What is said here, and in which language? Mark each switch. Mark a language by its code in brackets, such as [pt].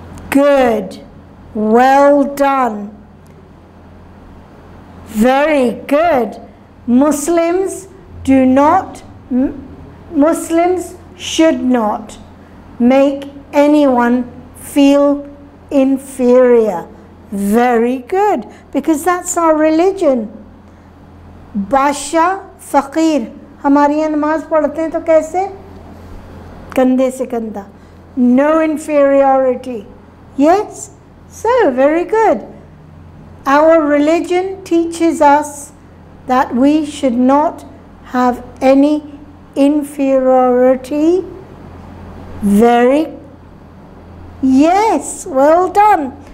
[en] Good. Well done. Very good. Muslims should not make anyone feel inferior. Very good. Because that's our religion. [ur] باشا فقیر۔ ہماری یہاں نماز پڑھتے ہیں تو کیسے؟ کندھے سے کندھا۔ [en] No inferiority. Yes? So, very good. Our religion teaches us that we should not have any inferiority. Very, yes, well done.